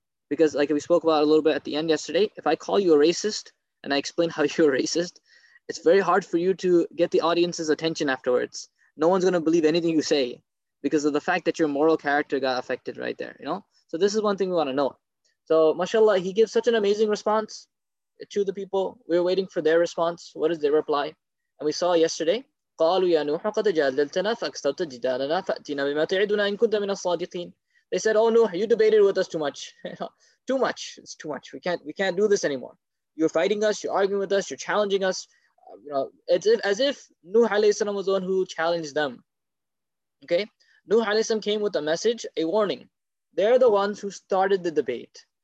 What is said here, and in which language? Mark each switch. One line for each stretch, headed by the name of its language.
English: Because like we spoke about a little bit at the end yesterday, if I call you a racist and I explain how you're a racist, it's very hard for you to get the audience's attention afterwards. No one's going to believe anything you say because of the fact that your moral character got affected right there, you know? So this is one thing we want to know. So mashallah, he gives such an amazing response to the people. We were waiting for their response. What is their reply? And we saw yesterday,
Arabic: قَالُوا يَا نُوحَ قَدَ جَادَلْتَنَا فَأَكْثَرْتَ جِدَالَنَا فَأْتِنَا بِمَا تَعِدُنَا إِن كُنْتَ مِنَ الصَّادِقِينَ.
English: They said, oh no, you debated with us too much. Too much, it's too much. We can't do this anymore. You're fighting us, you're arguing with us, you're challenging us. You know, as if Nuh alayhi salam was the one who challenged them. Okay, Nuh alayhi salam came with a message, a warning. They're the ones who started the debate.